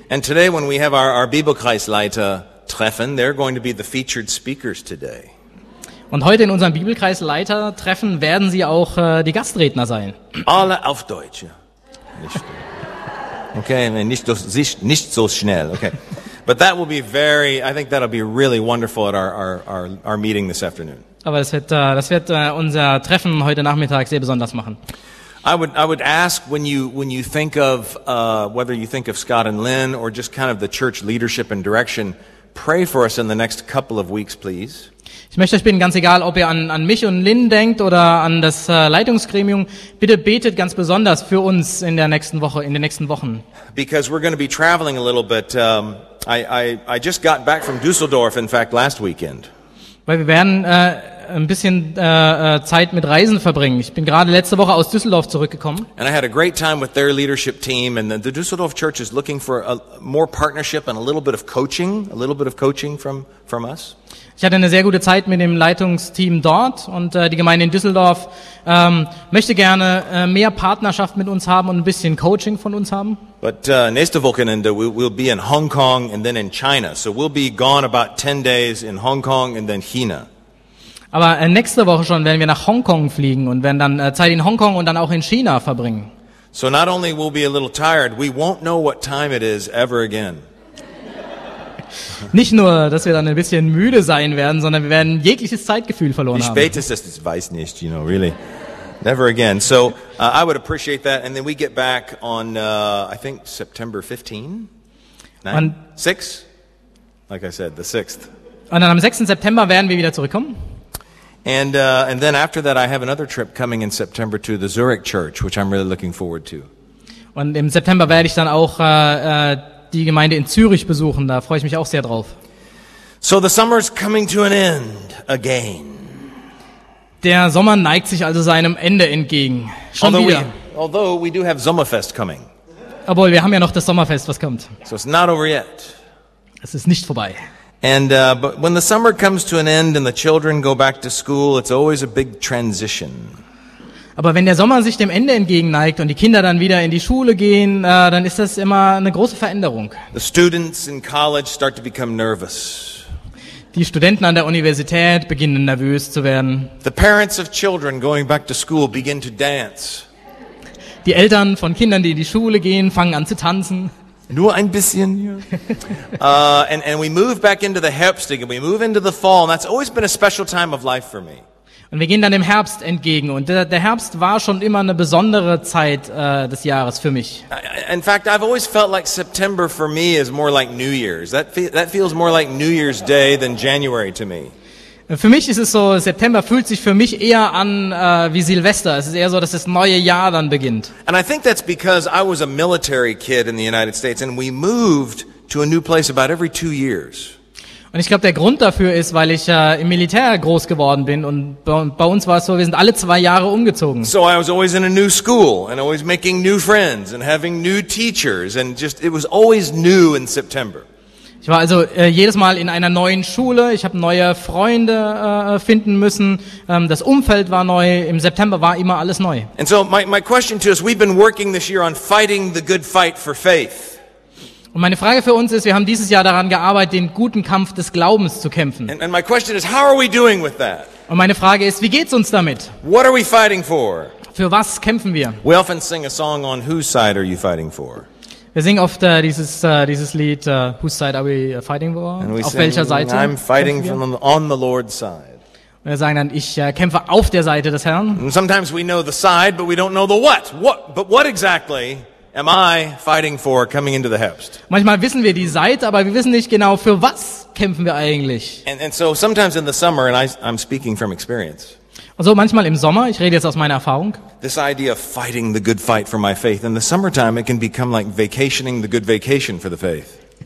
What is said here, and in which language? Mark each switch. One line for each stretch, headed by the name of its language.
English: And today when we have our Bibelkreisleiter treffen, they're going to be the featured speakers today.
German: Und heute in unserem Bibelkreisleiter treffen werden sie auch die Gastredner sein. Alle auf Deutsch. Nicht. Okay, nicht so schnell, okay.
English: But that will be very, I think that'll be really wonderful at our meeting this afternoon.
German: Aber das wird unser Treffen heute Nachmittag sehr besonders machen.
English: I would ask when you think of whether you think of Scott and Lynn or just kind of the church leadership and direction, pray for us in the next couple of weeks, please.
German: Ich möchte euch bitten, ganz egal, ob ihr an mich und Lynn denkt oder an das Leitungsgremium, bitte betet ganz besonders für uns in den nächsten Wochen.
English: Because we're going to be traveling a little bit. I just got back from Düsseldorf, in fact, last weekend.
German: Weil wir werden ein bisschen Zeit mit Reisen verbringen. Ich bin gerade letzte Woche aus Düsseldorf zurückgekommen.
English: And I had a great time with their leadership team, and the Düsseldorf Church is looking for more partnership and a little bit of coaching from us.
German: Ich hatte eine sehr gute Zeit mit dem Leitungsteam dort und die Gemeinde in Düsseldorf möchte gerne mehr Partnerschaft mit uns haben und ein bisschen Coaching von uns haben.
English: But
German: nächste Wochenende
English: we'll be in Hong Kong and then in China. So we'll be gone about 10 days in Hong Kong and then China.
German: Aber nächste Woche schon werden wir nach Hongkong fliegen und werden dann Zeit in Hongkong und dann auch in China verbringen.
English: So not only will be a little tired, we won't know what time it is ever again.
German: Nicht nur, dass wir dann ein bisschen müde sein werden, sondern wir werden jegliches Zeitgefühl verloren haben. Wie spät ist das? Ich weiß nicht,
English: you know, really. Never again. So, I would appreciate that. And then we get back on, I think, September 15? 9? 6? Like I said, the 6th.
German: Und dann am 6. September werden wir wieder zurückkommen.
English: And then after that, I have another trip coming in September to the Zurich Church, which I'm really looking forward to.
German: Und im September werde ich dann auch die Gemeinde in Zürich besuchen, da freue ich mich auch sehr drauf.
English: So the summer is coming to an end again.
German: Der Sommer neigt sich also seinem Ende entgegen. Schon
English: although
German: wieder.
English: Although we do have Sommerfest coming.
German: Obwohl, wir haben ja noch das Sommerfest, was kommt.
English: So it's not over yet.
German: Es ist nicht vorbei.
English: And but when the summer comes to an end and the children go back to school, it's always a big transition.
German: Aber wenn der Sommer sich dem Ende entgegenneigt und die Kinder dann wieder in die Schule gehen, dann ist das immer eine große Veränderung.
English: The students in college start to become nervous.
German: Die Studenten an der Universität beginnen nervös zu werden.
English: The parents of children going back to school begin to dance.
German: Die Eltern von Kindern, die in die Schule gehen, fangen an zu tanzen. Nur ein bisschen.
English: And we move back into the Herbst and we move into the fall, and that's always been a special time of life for me.
German: Und wir gehen dann dem Herbst entgegen. Und der Herbst war schon immer eine besondere Zeit des Jahres für mich.
English: In fact, I've always felt like September for me is more like New Year's. That feels more like New Year's Day than January to me.
German: Für mich ist es so, September fühlt sich für mich eher an wie Silvester. Es ist eher so, dass das neue Jahr dann beginnt.
English: And I think that's because I was a military kid in the United States and we moved to a new place about every 2 years.
German: Und ich glaube, der Grund dafür ist, weil ich im Militär groß geworden bin und bei uns war es so, wir sind alle 2 Jahre umgezogen.
English: So I was always in a new school and always making new friends and having new teachers and just, it was always new in September.
German: Ich war also jedes Mal in einer neuen Schule, ich habe neue Freunde finden müssen, das Umfeld war neu, im September war immer alles neu.
English: And so my question to us, we've been working this year on fighting the good fight for faith.
German: Und meine Frage für uns ist, wir haben dieses Jahr daran gearbeitet, den guten Kampf des Glaubens zu kämpfen.
English: And my question is, how are we doing with that?
German: Und meine Frage ist, wie geht's uns damit?
English: What are we fighting for?
German: Für was kämpfen wir?
English: We often sing a song on whose side are you fighting for?
German: Wir singen oft dieses Lied,
English: whose side are we fighting for? And we
German: auf
English: sing,
German: welcher Seite?
English: I'm fighting from on the Lord's side.
German: Und wir sagen dann, ich kämpfe auf der Seite des Herrn.
English: And sometimes we know the side, but we don't know the what. What exactly am I fighting for coming into the Herbst?
German: Manchmal wissen wir die Seite, aber wir wissen nicht genau, für was kämpfen wir eigentlich.
English: And so sometimes in the summer, and I'm speaking from experience.
German: Also manchmal im Sommer, ich rede jetzt aus meiner Erfahrung.
English: This idea of fighting the good fight for my faith. In the summertime, it can become like vacationing the good vacation for the faith.